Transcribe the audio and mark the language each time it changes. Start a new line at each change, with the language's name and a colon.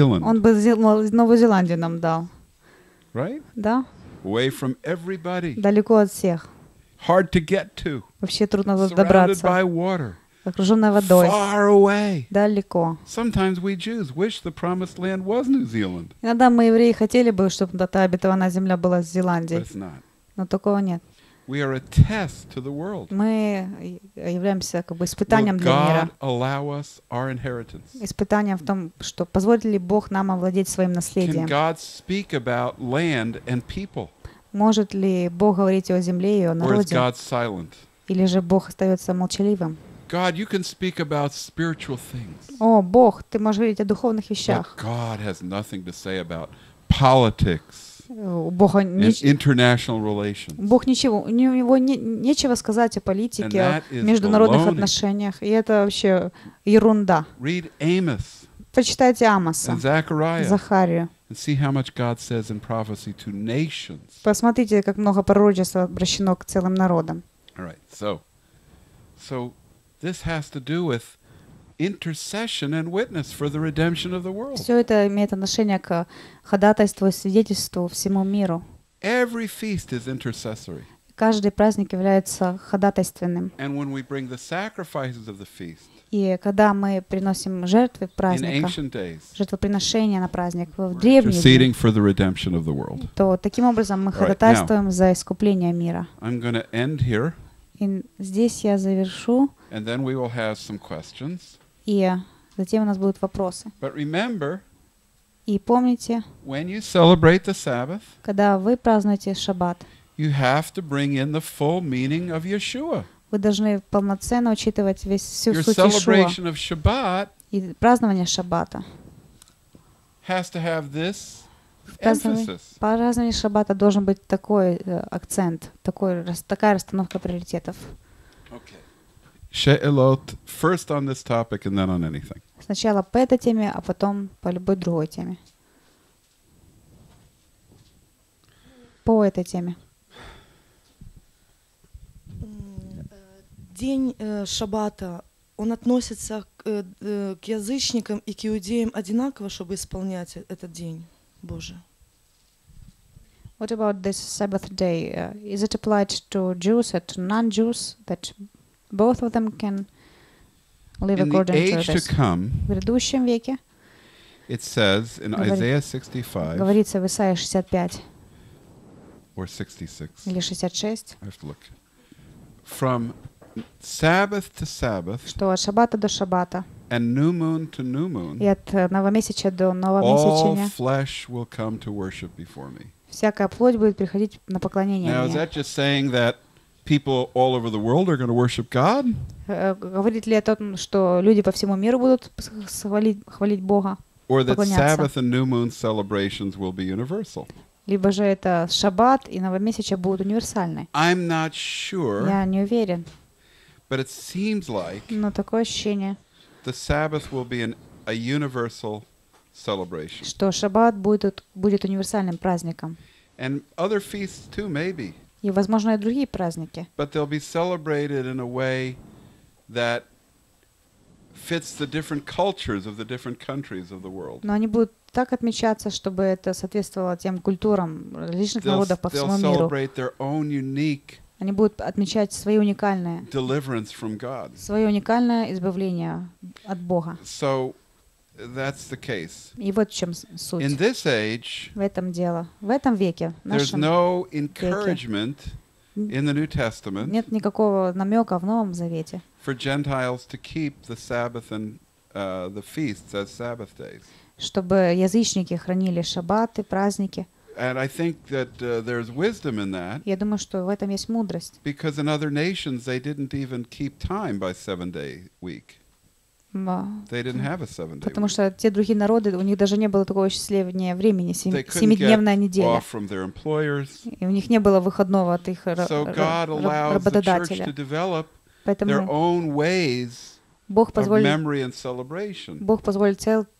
Russian: Он бы Новую Зеландию нам дал.
English: Right?
Russian: Да?
English: Away from everybody.
Russian: Далеко от всех.
English: Hard to get to.
Russian: Вообще трудно добраться. Окружённая водой.
English: Far away.
Russian: Далеко.
English: Sometimes we Jews wish the promised land was New Zealand.
Russian: Иногда мы, евреи, хотели бы, чтобы та обетованная земля была с Зеландией.
English: But it's not.
Russian: Но такого нет.
English: We are a test to the world.
Russian: Мы являемся как бы испытанием для мира.
English: Will God allow us our inheritance?
Russian: Испытанием в том, что позволит ли Бог нам овладеть своим наследием.
English: Can God speak about land and people?
Russian: Может ли Бог говорить о земле и о народе?
English: Or is God silent?
Russian: Или же Бог остается молчаливым?
English: God, you can speak about spiritual things.
Russian: О, Бог, ты можешь говорить о духовных вещах.
English: But God has nothing to say about politics.
Russian: Бога
English: international relations.
Russian: Бог ничего, у него нечего сказать о политике, о международных отношениях, и это вообще ерунда.
English: Read Amos.
Russian: Почитайте Амоса.
English: Zechariah.
Russian: Захарию.
English: And see how much God says in prophecy to nations.
Russian: Посмотрите, как много пророчеств обращено к целым народам.
English: All right. So this has to do with intercession and witness for the redemption of the world.
Russian: Все это имеет отношение к ходатайству и свидетельству всему миру.
English: Every feast is intercessory.
Russian: Каждый праздник является ходатайственным.
English: And when we bring the sacrifices of the feast.
Russian: И когда мы приносим жертвы праздника, жертвоприношения на праздник в древние дни, то таким образом мы ходатайствуем за искупление мира.
English: I'm going to end here.
Russian: И здесь я завершу.
English: And then we will have some questions.
Russian: И затем у нас будут вопросы.
English: But remember,
Russian: и помните,
English: when you celebrate the Sabbath,
Russian: когда вы празднуете Шаббат,
English: you have to bring in the full meaning of Yeshua.
Russian: Вы должны полноценно учитывать весь всю
English: Your
Russian: суть
English: celebration Of Shabbat
Russian: и празднование Шаббата
English: has to have this
Russian: празднование Шаббата должен быть такой акцент, такая расстановка приоритетов.
English: Okay. She'elot first on this topic and then on anything.
Russian: Сначала по этой теме, а потом по любой другой теме. По этой теме. День Шаббата, он относится к язычникам и к иудеям одинаково, чтобы исполнять этот день Божий.
English: What about this Sabbath day? Is it applied to Jews or to non-Jews that both of them can live in according the age to this. To come,
Russian: в грядущем веке,
English: it says in Isaiah 65,
Russian: говорится в Исаии 65,
English: or 66,
Russian: или 66,
English: I have to look. From Sabbath to Sabbath,
Russian: что от Шаббата до Шаббата,
English: and new moon to new moon,
Russian: и от новомесяча до новомесячения,
English: all flesh will come to worship before me.
Russian: Всякая плоть будет приходить на поклонение
English: Now,
Russian: мне.
English: Now is that just saying that people all over the world are going to worship God?
Russian: Говорит ли это о том, что люди по всему миру будут хвалить Бога?
English: Or that Sabbath and new moon celebrations will be universal?
Russian: Либо же это Шаббат и Новомесяча будут универсальны?
English: I'm not sure.
Russian: Я не уверен.
English: But it seems like.
Russian: Но такое ощущение.
English: The Sabbath will be a universal celebration.
Russian: Что Шаббат будет универсальным праздником?
English: And other feasts too, maybe.
Russian: И, возможно, и другие праздники.
English: But they'll be celebrated in a way that fits the different cultures of the different countries of the world.
Russian: Но они будут так отмечаться, чтобы это соответствовало тем культурам различных народов по всему миру.
English: They'll celebrate their own unique.
Russian: Они будут отмечать свои уникальные.
English: Deliverance from God.
Russian: Свое уникальное избавление от Бога.
English: So that's the case.
Russian: И вот в чем суть.
English: In this age,
Russian: в этом дело, в этом веке, в нашем
English: there's no encouragement
Russian: веке,
English: in the New Testament,
Russian: нет никакого намека в Новом Завете,
English: for Gentiles to keep the Sabbath and the feasts as Sabbath days,
Russian: чтобы язычники хранили шаббаты, праздники.
English: And I think that there's wisdom in that.
Russian: Я думаю, что в этом есть мудрость.
English: Because in other nations they didn't even keep time by 7-day week. They didn't have a seven-day.
Russian: Потому что те другие народы, у них даже не было такого счастливого времени, семидневная неделя. И у них не было выходного от их работодателя. Поэтому Бог позволит